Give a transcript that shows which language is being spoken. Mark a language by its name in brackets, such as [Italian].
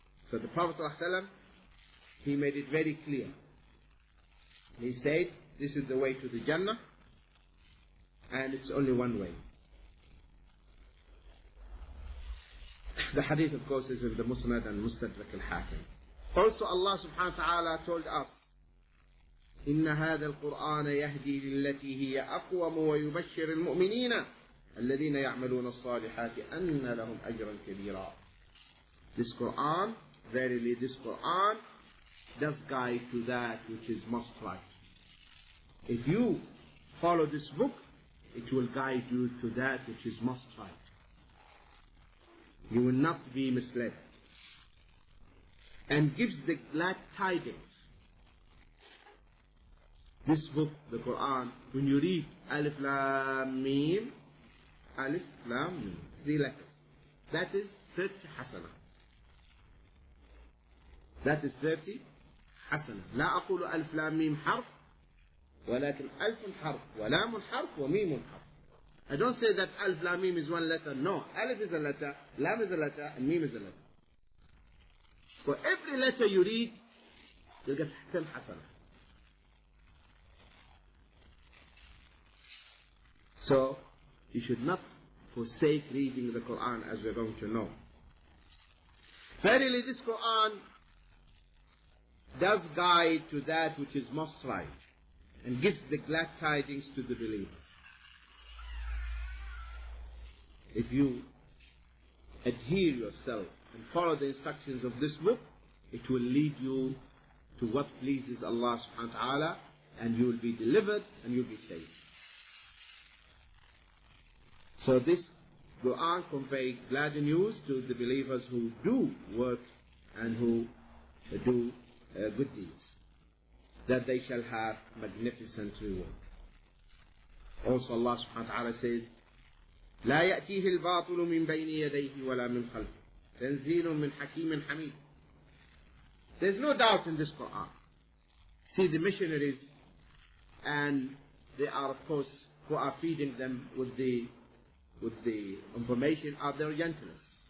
[English] So the Prophet ﷺ, he made it very clear. He said, this is the way to the Jannah, and it's only one way. The hadith, of course, is in the Musnad and Mustadrak al-Hakim. Also, Allah subhanahu wa ta'ala told us, [Arabic] إِنَّ هَذَا الْقُرْآنَ يَهْدِي لِلَّتِي هِيَ أَقْوَمُ وَيُبَشِّرِ الْمُؤْمِنِينَ الَّذِينَ يَعْمَلُونَ الصَّالِحَاتِ أَنَّ لَهُمْ أَجْرًا كَبِيرًا. [English] This Quran, verily this Quran, does guide to that which is most right. If you follow this book, it will guide you to that which is most right. You will not be misled. And gives the glad tidings. This book, the Quran, when you read Alif Lam Mim, Alif Lam Mim, three letters. That is 30 hasana. That is 30 hasana. [Arabic] لا أقول ألف لام ميم حرف ولكن ألف حرف ولام حرف وميم حرف. [English] I don't say that ألف لام ميم is one letter. No, ألف is a letter, لام is a letter, and ميم is a letter. For every letter you read, you'll get 10 حسنة. So, you should not forsake reading the Quran as we're going to know. Verily, this Quran does guide to that which is most right and gives the glad tidings to the believers. If you adhere yourself and follow the instructions of this book, it will lead you to what pleases Allah subhanahu wa ta'ala, and you will be delivered and you will be saved. So this Quran conveys glad news to the believers who do work and who do good deeds, that they shall have magnificent reward. Also Allah subhanahu wa ta'ala says, [Arabic] لا يأتيه الباطل من بين يديه ولا من خلفه تنزيل من حكيم حميد. [English] There's no doubt in this Quran. See the missionaries, and they are, of course, who are feeding them with the information of their gentleness.